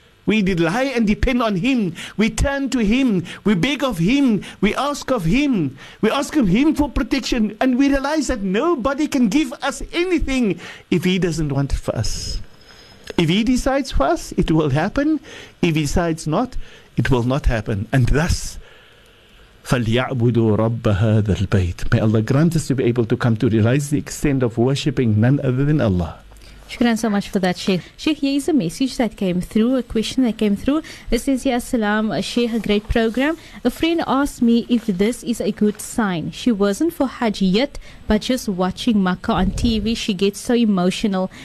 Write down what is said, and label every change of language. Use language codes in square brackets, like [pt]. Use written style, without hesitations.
[en] We rely and depend on him. We turn to him. We beg of him. We ask of him. We ask of him for protection. And we realize that nobody can give us anything if he doesn't want it for us. If he decides for us, it will happen. If he decides not, it will not happen. And thus, [ar] فَلْيَعْبُدُوا رَبَّ هَذَا الْبَيْتِ. [en] May Allah grant us to be able to come to realize the extent of worshipping none other than Allah. Shukran so much for that, Sheikh. Sheikh, here is a message that came through, a question that came through. This is, yes, salam, Sheikh, a great program. A friend asked me if this is a good sign. She wasn't for Hajj yet, but just watching Makkah on TV, she gets so emotional.